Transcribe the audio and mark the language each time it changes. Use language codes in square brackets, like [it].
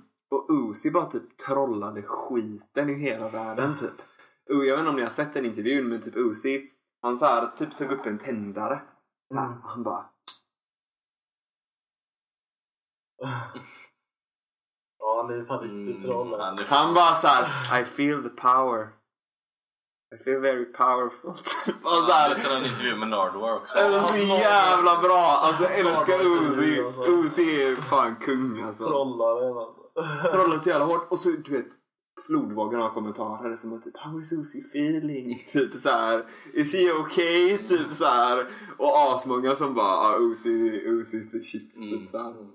[sv] Och Uzi bara typ trollade skiten i hela världen typ. Jag vet inte om ni har sett en intervju, men typ Uzi, han så här, typ tog upp en tändare så här, och han bara ja, han är fan riktigt trollad. Han bara så här, [en] I feel the power, I feel very powerful. [sv] Alltså, jag ser en intervju med Nardwar också. Det var så jävla bra. Alltså, älskar Uzi. Uzi är fan kung alltså. Trollar en alltså. Trollar så jävla hårt. Och så, du vet, flodvågen av kommentarer som var typ, [en] how is Uzi feeling? [sv] Typ så här, [en] is he okay? [sv] Typ så här. Och asmånga som bara, ah, [en] Uzi is the shit. [sv] Typ så här.